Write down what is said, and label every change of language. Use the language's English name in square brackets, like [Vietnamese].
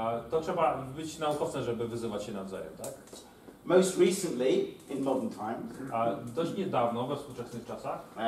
[Polish] To trzeba być naukowcem, żeby wyzywać się nawzajem, tak? [English] Most recently, in modern times. [Polish] Dość niedawno, we współczesnych czasach.